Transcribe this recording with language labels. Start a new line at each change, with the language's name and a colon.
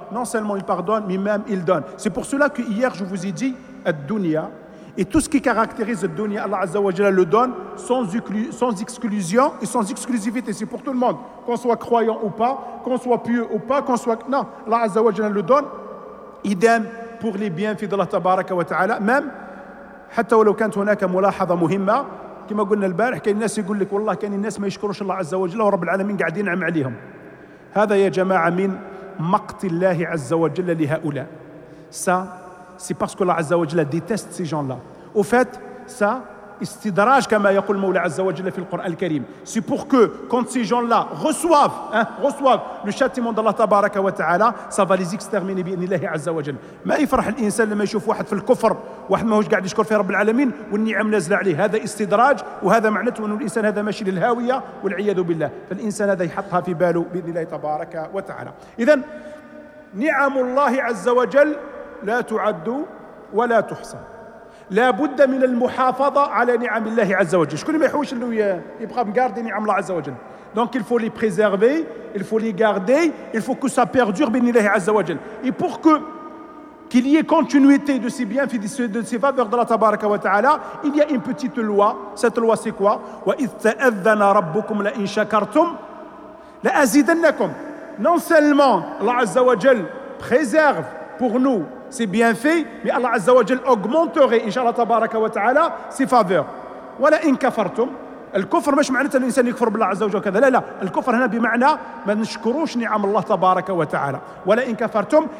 French: Non seulement il pardonne, mais même il donne. C'est pour cela que hier je vous ai dit, ad-dunya, et tout ce qui caractérise ad-dunya, Allah Azza wa Jalla le donne sans exclusion et sans exclusivité. C'est pour tout le monde, qu'on soit croyant ou pas, qu'on soit pieux ou pas, qu'on soit... Non, Allah Azza wa Jalla le donne. Idem pour les bienfaits d'Allah tabaraka wa ta'ala.
Arabic: Même, حتى ولو كانت هناك ملاحظة مهمة كما قلنا البارح كان الناس يقول لك والله كان الناس ما يشكروش الله عز وجل ورب العالمين قاعدين ينعم عليهم هذا يا جماعة من مقت الله عز وجل لهؤلاء
French: ça c'est parce que
Arabic: الله عز وجل
French: déteste ces gens-là au fait ça
Arabic: استدراج كما يقول مولى عز وجل في القرآن الكريم
French: c'est pour que quand ces gens-là reçoivent le châtiment d'Allah
Arabic: تبارك وتعالى
French: ça va les exterminer
Arabic: بإذن الله عز وجل ما يفرح الإنسان لما يشوف واحد في الكفر واحد ما هوش قاعد يشكر في رب العالمين والنعم نازله عليه هذا استدراج وهذا معناته أن الإنسان هذا ماشي للهاوية والعياذ بالله فالإنسان هذا يحطها في باله بإذن الله تبارك وتعالى إذن نعم الله عز وجل لا تعد ولا تحصى لا بد من المحافظة على نعم الله عز وجل. شكون ما يحوش انه يبقى مغاردي نعم الله عز وجل.
French: Donc il faut les préserver, il faut les garder, il faut que ça perdure
Arabic: بإذن الله عز وجل.
French: Et pour que qu'il y ait continuité de ces bienfaits, de ces faveurs de la tabaraka wa ta'ala, il y a une petite loi. Cette loi c'est quoi?
Arabic: وإذ تأذن ربكم لئن شكرتم لأزيدنكم.
French: Non seulement الله عز وجل préserve pour nous ses bienfaits, mais Allah Azza wa Jal augmenterait, inshallah tabaraka wa ta'ala, ses faveurs.
Arabic: Wala in kafartum.
French: Le kufr, mais je m'en ai dit que
Arabic: l'insan yukfur billah Azza wa Jal.
French: Là, le kufr, il y a un mot, mais
Arabic: ne shkurouch ni'am Allah tabaraka wa ta'ala. Wala in kafartum.